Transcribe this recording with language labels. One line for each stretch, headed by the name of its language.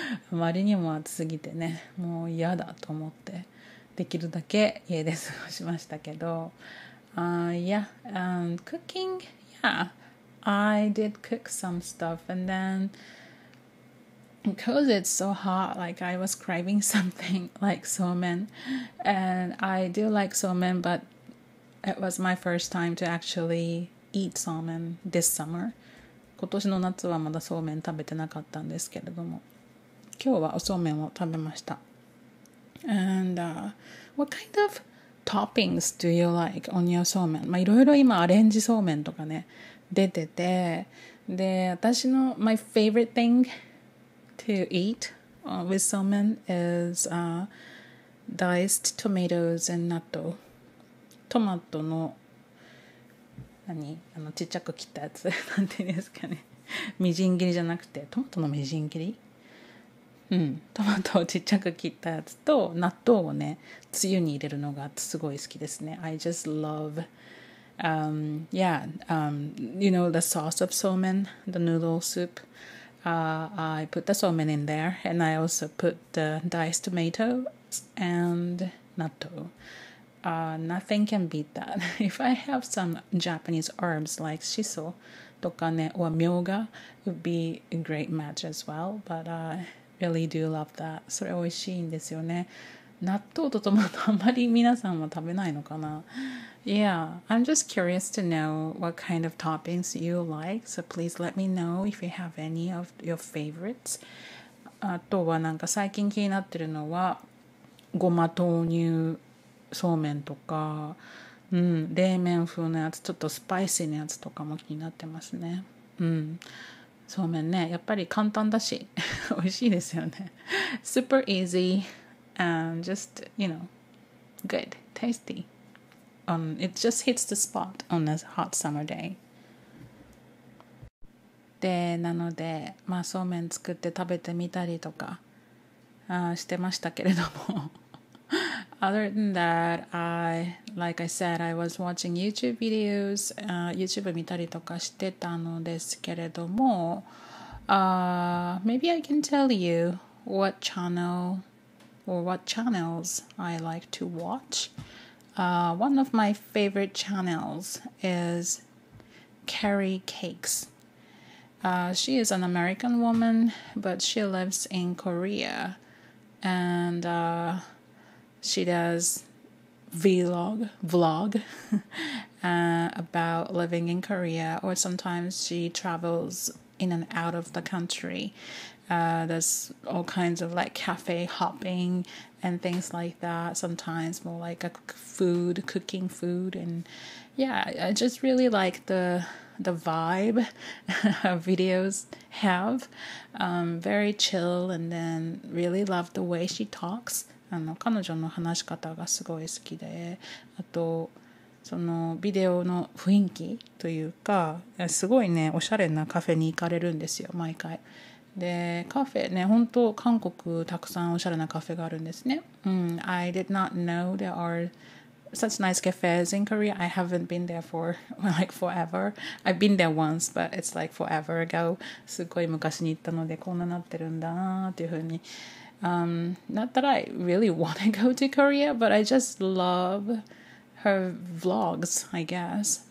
Japanese: あまりにも暑すぎてね、もう嫌だと思ってできるだけ家で過ごしましたけど、
English: cooking, yeah, I did cook some stuff and then because it's so hot, like I was craving something like somen, and I do like somen, but it was my first time to actually eat somen this summer.
Japanese: 今年の夏はまだそうめん食べてなかったんですけれども、今日はおそうめんを食べました。
English: And what kind of toppings do you like on your somen?
Japanese: まあいろいろ今アレンジそうめんとかね、出てて、で、私の
English: my favorite thing to eat、with salmon is、diced tomatoes and natto.
Japanese: トマトの何あのちっちゃく切ったやつなんていうんですかね。みじん切りじゃなくてトマトのみじん切り。うん、トマトをちっちゃく切ったやつと納豆をねつゆに入れるのがすごい好きですね。
English: I just love you know the sauce of somen, the noodle soup、I put the somen in there and I also put the diced tomatoes and 納豆、nothing can beat that. If I have some Japanese herbs like shiso とかね or myoga would be a great match as well, butReally do love that.
Japanese: それ美味しいんですよね。納豆とトマトあんまり皆さんは食べないのかな。
English: Yeah, I'm just curious to know what kind of toppings you like. So please let me know if you have any of your favorites.
Japanese: あとはなんか最近気になってるのはごま豆乳そうめんとか、うん、冷麺風のやつ、ちょっとスパイシーなやつとかも気になってますね。うん。そうめんね、やっぱり簡単だし美味しいですよね。
English: Super easy and just, you know, good, tasty. It just hits the spot on a hot summer day.
Japanese: で、なので、まあ、そうめん作って食べてみたりとかしてましたけれども
English: Other than that, I, like I said, I was watching YouTube videos,
Japanese: YouTube 見たりとかしてたのですけれども、
English: maybe I can tell you what channel or what channels I like to watch. One of my favorite channels is Carrie Cakes. She is an American woman, but she lives in Korea. And, She does vlog about living in Korea, or sometimes she travels in and out of the country. There's all kinds of like cafe hopping and things like that. Sometimes more like a food, cooking food. And yeah, I just really like the vibe her videos have. Very chill and then really love the way she talks.
Japanese: あの彼女の話し方がすごい好きで、あとそのビデオの雰囲気というか、すごいねおしゃれなカフェに行かれるんですよ毎回。でカフェね、本当韓国たくさんおしゃれなカフェがあるんですね。
English: うん、I did not know there are such nice cafes in Korea. I haven't been there for like forever. I've been there once, but it's like forever ago.
Japanese: すごい昔に行ったのでこんななってるんだなっていう風に。
English: Not that I really want to go to Korea, but I just love her vlogs, I guess.